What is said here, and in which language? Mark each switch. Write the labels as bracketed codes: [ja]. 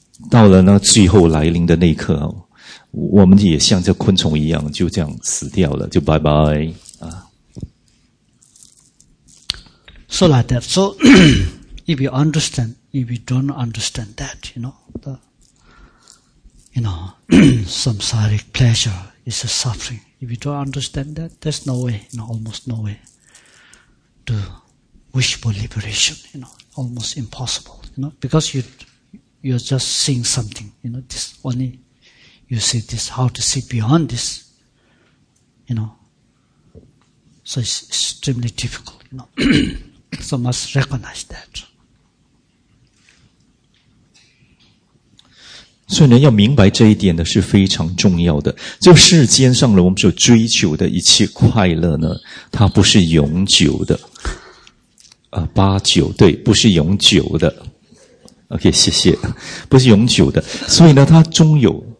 [zh] 到了呢最后来临的那一刻齁、哦。我们也像这昆虫一样就这样死掉了，就拜拜。 [en] So like that. So, if you understand, if you don't understand that, you know, samsaric pleasure is a suffering. If you don't understand that, there's no way, you know, almost no way to wish for liberation, you know, almost impossible, you know, because you're just seeing something, you know, this only, you see this, how to see beyond this, you know, so it's extremely difficult, you know, so must recognize that. [zh] 所以呢要明白这一点呢是非常重要的。就世间上呢我们所追求的一切快乐呢它不是永久的。对，不是永久的。OK, 谢谢。不是永久的。所以呢它终有